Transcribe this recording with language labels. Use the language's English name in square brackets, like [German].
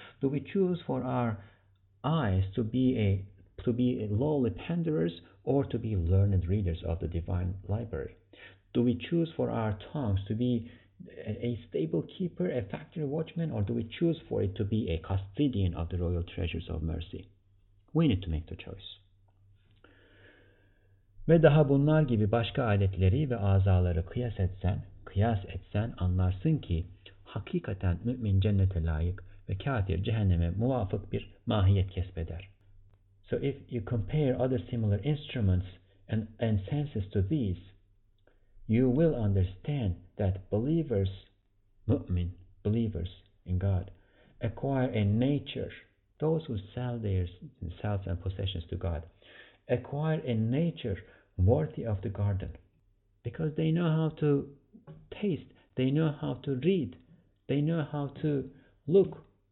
[English] Do we choose for our eyes to be lowly panderers or to be learned readers of the divine library? Do we choose for our tongues to be a stable keeper, a factory watchman, or do we choose for it to be a custodian of the royal treasures of mercy? We need to make the choice. [Turkish] Ve daha bunlar gibi başka aletleri ve azaları kıyas etsen anlarsın ki hakikaten mümin cennete layık ve kafir cehenneme muvafık bir mahiyet kesbeder. [English] So if you compare other similar instruments and senses to these, you will understand that believers, mu'min, believers in God, acquire a nature, those who sell their selves and possessions to God, acquire a nature worthy of the garden, because they know how to taste, they know how to read, they know how to look.